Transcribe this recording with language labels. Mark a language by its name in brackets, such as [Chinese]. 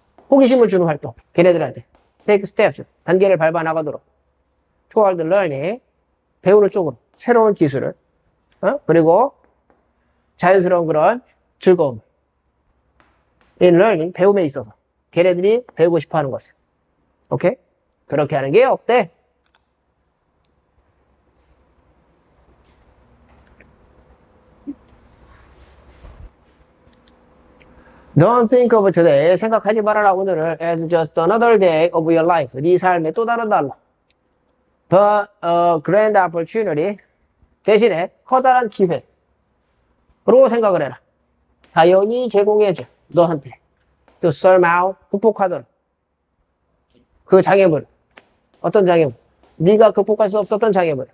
[Korean] 호기심을 주는 활동 걔네들한테 [English] take steps [Korean] 단계를 밟아 나가도록 [English] toward learning [Korean] 배우는 쪽으로 새로운 기술을 그리고 자연스러운 그런 즐거움 [English] in learning [Korean] 배움에 있어서 걔네들이 배우고 싶어 하는 것을 오케이? 그렇게 하는 게 어때? [English] Don't think of today. [Korean] 생각하지 말아라, 오늘을. [English] As just another day of your life. [Korean] 네 삶의 또 다른 날로. [English] But a grand opportunity. [Korean] 대신에 커다란 기회로 생각을 해라. 자연이 제공해줘. 너한테. [English] To surmount, [Korean] 극복하던 그 장애물. 어떤 장애물? 네가 극복할 수 없었던 장애물.